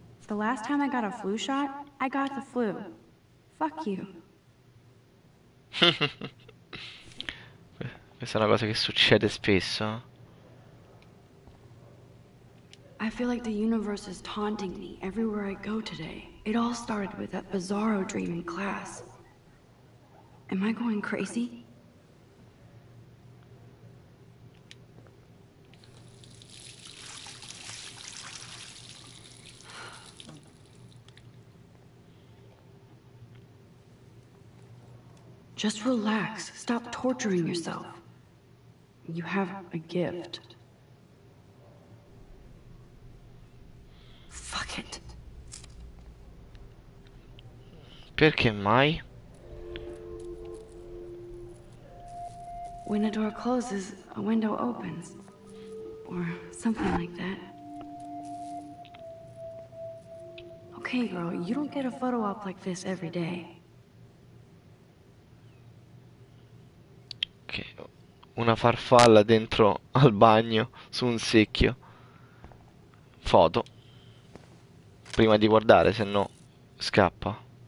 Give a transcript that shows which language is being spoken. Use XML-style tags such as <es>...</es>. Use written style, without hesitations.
<en>The last time I got a flu shot, I got the flu. Fuck you.</en> <it>Questa è una cosa che succede spesso.</it> <en>I feel like the universe is taunting me everywhere I go today. It all started with that bizarro dream in class. Am I going crazy? Just relax. Stop torturing yourself. You have a gift. Fuck it.</en> <it>Perché mai?</it> <en>When a door closes, a window opens. Or something like that. Okay, girl, you don't get a photo op like this every day.</en> <it>Una farfalla dentro al bagno su un secchio. Foto. Prima di guardare, se no scappa.</it>